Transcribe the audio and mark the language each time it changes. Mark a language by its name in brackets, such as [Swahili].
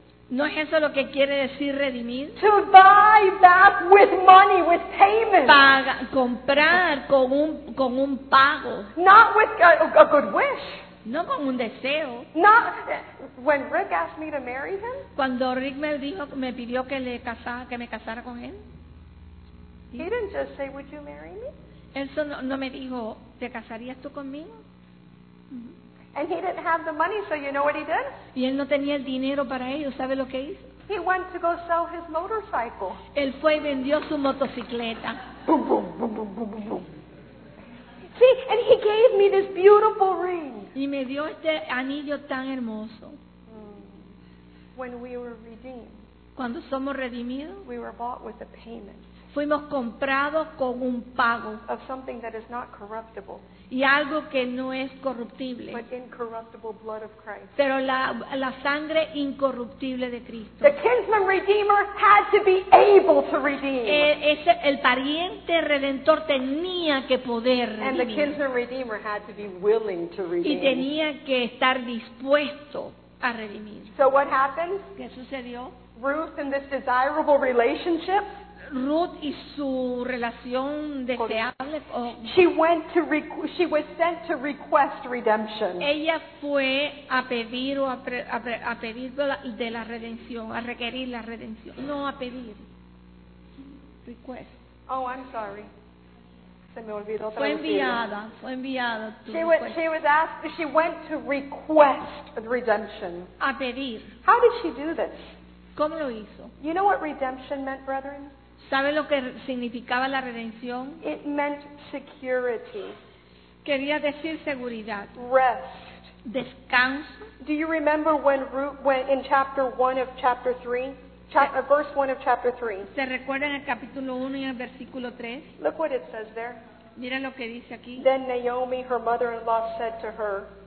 [Spanish] ¿No es eso lo que quiere decir redimir? [English] To buy back with money, with payment. [Spanish] Paga, comprar con un pago. [English] Not with a good wish. [Spanish] No con un deseo. [English] Not when Rick asked me to marry him. [Spanish] Cuando Rick me pidió que me casara con él. ¿Sí? [English] He didn't just say, "Would you marry me?" [Spanish] Eso no me dijo, ¿te casarías tú conmigo? [English] And he didn't have the money, so you know what he did? [Spanish] Y él no tenía el dinero para ello, ¿sabe lo que hizo? [English] He went to go sell his motorcycle. [Spanish] Él fue y vendió su motocicleta. [English] Boom, boom, boom, boom, boom, boom, boom. See, and he gave me this beautiful ring. [Spanish] Y me dio este anillo tan hermoso. [English] When we were redeemed. [Spanish] Cuando somos redimidos. [English] We were bought with a payment. [Spanish] Fuimos comprados con un pago. [English] Of something that is not corruptible. [Spanish] Y algo que no es corruptible. [English] But incorruptible blood of Christ. [Spanish] Pero la sangre incorruptible de Cristo. [English] The kinsman redeemer had to be able to redeem. [Spanish] El pariente redentor tenía que poder redimir. [English] And the kinsman redeemer had to be willing to redeem. [Spanish] Y tenía que estar dispuesto a redimir. [English] So what happened? [Spanish] ¿Qué sucedió? [English] Ruth in this desirable relationship. [Spanish] Ruth y su relación deseable. [English] She was sent to request redemption. [Spanish] Ella fue a pedir o a pedir de la redención, a requerir la redención. No a pedir. [English] Request. Oh, I'm sorry. [Spanish] Se me olvidó traducir. Fue enviada. [English] She went to request redemption. [Spanish] A pedir. [English] How did she do this? [Spanish] ¿Cómo lo hizo? [English] You know what redemption meant, brethren? [Spanish] ¿Sabe lo que significaba la redención? [English] It meant security. [Spanish] Quería decir seguridad. [English] Rest. [Spanish] Descanso. [English] Do you remember when in chapter 1 of chapter 3? Verse 1 of chapter 3. [Spanish] ¿Se recuerda en el capítulo 1 y en el versículo 3? [English] Look what it says there. [Spanish] Mira lo que dice aquí. [English] Then Naomi, her mother-in-law, said to her.